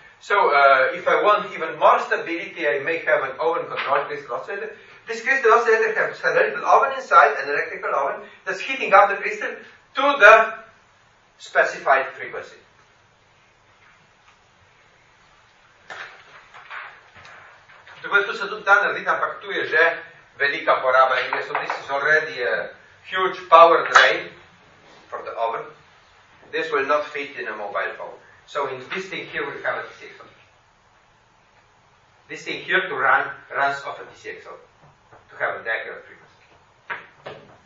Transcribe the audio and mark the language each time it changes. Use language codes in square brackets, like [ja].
[en] So, if I want even more stability, I may have an oven control crystal oscillator. This crystal oscillator has a little oven inside, an electrical oven, that's heating up the crystal to the specified frequency. [sl] Dobro, tu se tudi da narediti, ampak tu je že velika poraba. [en] So this is already a huge power drain for the oven. This will not fit in a mobile phone. So in this thing here, we have a DCXL. This thing here to run, runs off a DCXL, to have a accurate frequency.